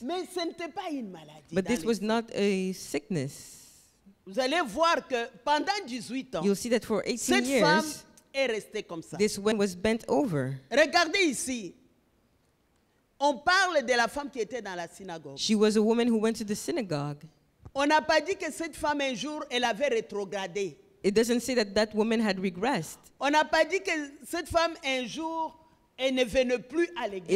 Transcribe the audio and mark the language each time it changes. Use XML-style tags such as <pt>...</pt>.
<fr>Mais ce n'était pas une maladie.</fr> <en>But this was not a sickness.</en> <fr>Vous allez voir que pendant 18 ans,</fr> <en>you'll see that for 18</en> <fr>cette</fr> <en>years,</en> <fr>femme est resté comme ça.</fr> <en>This one was bent over.</en> <fr>Regardez ici. On parle de la femme qui était dans la synagogue.</fr> <en>She was a woman who went to the synagogue.</en> <fr>On n'a pas dit que cette femme un jour elle avait rétrogradé.</fr> <en>It doesn't say that that woman had regressed.</en> <fr>On n'a pas dit que cette femme un jour elle ne venait plus à l'église.</fr>